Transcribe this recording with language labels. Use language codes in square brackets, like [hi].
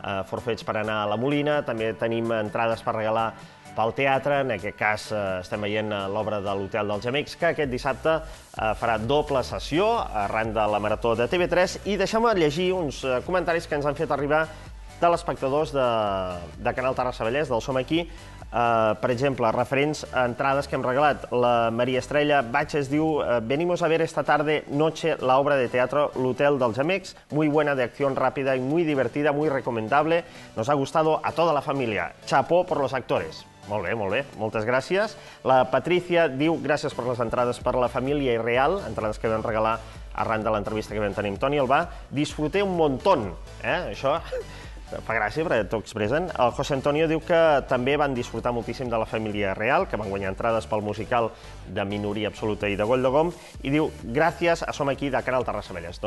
[ca] forfets per anar a la Molina, també tenim entrades per regalar pel teatre, en aquest cas estem veient l'obra de l'Hotel dels Amics, que aquest dissabte farà doble sessió arran de la marató de TV3, i deixem-me llegir uns comentaris que ens han fet arribar telespectadors de Canal Terrassa Vallès, del Som Aquí, per exemple, referents a entrades que hem regalat. [es] La Maria Estrella Batxes diu «Venimos a ver esta tarde noche la obra de teatro L'Hotel dels Amics, muy buena de acción rápida y muy divertida, muy recomendable, nos ha gustado a toda la familia. Chapó por los actores». [ca] Molt bé, molt bé. Moltes gràcies. La Patricia diu gràcies per les entrades per la família i real, entrades que vam regalar arran de l'entrevista que vam tenir amb Toni Albà. [es] Disfruté un montón, [ca] això fa gràcia perquè t'ho expressen. El José Antonio diu que també van disfrutar moltíssim de la família real, que van guanyar entrades pel musical de Minoria Absoluta i de Goll de Gom, i diu gràcies a Som Aquí de Canal Terrassa Vallès.